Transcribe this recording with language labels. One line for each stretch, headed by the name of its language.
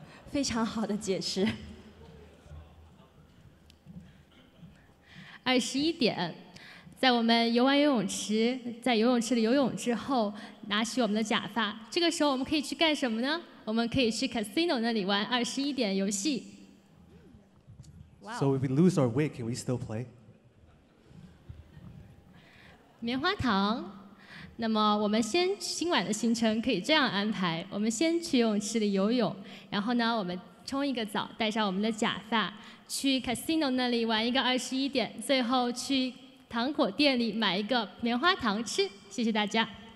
Chinese: 非常好的解释。 21点，在我们游完游泳池，在游泳池里游泳之后，拿起我们的假发，这个时候我们可以去干什么呢？我们可以去 casino 那里玩21点游戏。
English: So if we lose our wig, can we still play?
Chinese: 棉花糖。那么我们先今晚的行程可以这样安排：我们先去游泳池里游泳，然后呢，我们冲一个澡，戴上我们的假发。去 casino 那里玩一个21点，最后去糖果店里买一个棉花糖吃。谢谢大家。